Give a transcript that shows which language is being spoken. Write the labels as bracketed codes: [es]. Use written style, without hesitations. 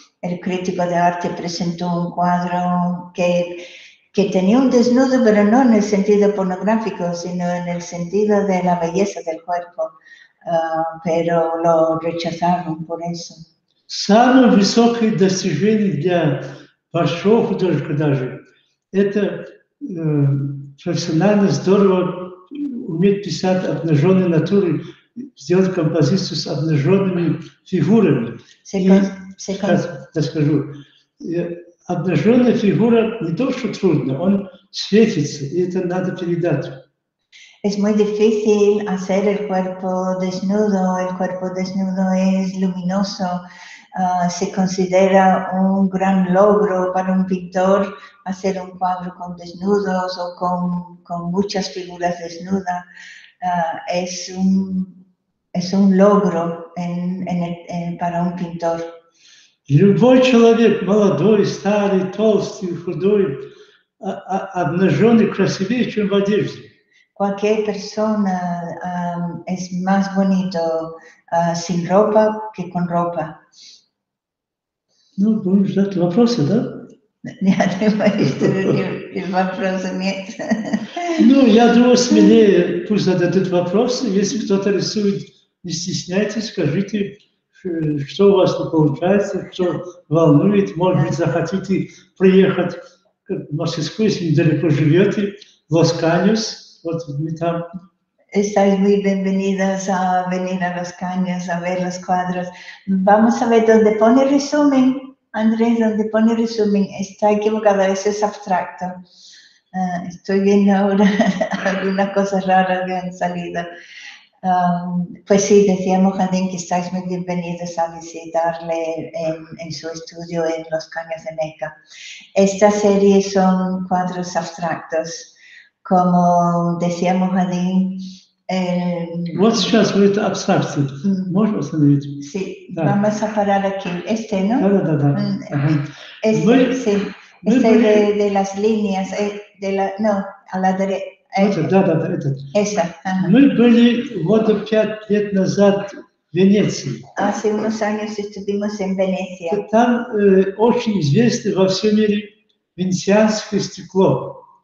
[es] El crítico de arte presentó un cuadro que tenía un desnudo, pero no en el sentido pornográfico, sino en el sentido de la belleza del cuerpo, pero lo rechazaron por eso. [ru] Самое высокое достижение для большого художника даже – это профессионально здорово уметь писать обнаженной натурой, сделать композицию с обнаженными фигурами. Сейчас расскажу. Обнаженная фигура не то, что трудно, он светится, и это надо передать. [es] Es muy difícil hacer el cuerpo desnudo. El cuerpo desnudo es luminoso. Se considera un gran logro para un pintor hacer un cuadro con desnudos o con muchas figuras desnudas. Es un logro para un pintor. [ru] Любой человек, молодой, старый, толстый, худой, обнаженный, красивее, чем в одежде. [es] Cualquier persona es más bonito sin ropa que con ropa. [ru] Ну, будем ждать вопросы, да? Ну, я думаю, с меня пусть зададут вопросы. Если кто-то рисует, не стесняйтесь, скажите, что у вас получается, что волнует. Может быть, захотите приехать в Москву, если недалеко живете, в Лос-Каньос. Вот мы там. [es] Estáis muy bienvenidas a venir a Los Caños a ver los cuadros. Vamos a ver dónde pone el resumen. Andrés, ¿dónde pone el resumen? Está equivocado, eso es abstracto. Estoy viendo ahora algunas cosas raras que han salido. Pues sí, decíamos, Andrés, que estáis muy bienvenidos a visitarle en su estudio en Los Caños de Meca. Esta serie son cuadros abstractos. Como decíamos, Andrés, [ru] Вот сейчас будет абстракция. Можешь остановить? [es] Sí, [ru] да. [es] Vamos a parar aquí. Este, ¿no? [ru] Да. [es] Este, sí. Este de las líneas. A la derecha. [ru] Да, это. [es] Esa. [ru] Мы были вот 5 лет назад в Венеции. [es] Hace unos años estuvimos en Venecia. [ru] Там очень известно во всем мире венецианское стекло.